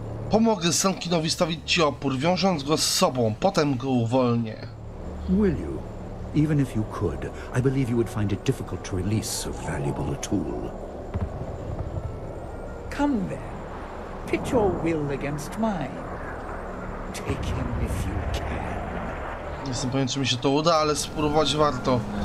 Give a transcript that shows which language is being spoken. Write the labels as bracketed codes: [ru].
[pl] Pomogę Sankinowi stawić ci opór, wiążąc go z sobą, potem go uwolnię. [en] Will you? Even if you could, I believe you would find it difficult to release so valuable a tool. Come then. Pit your will against mine. Take him if you can. [pl] Nie jestem pewien, czy mi się to uda, ale spróbować warto.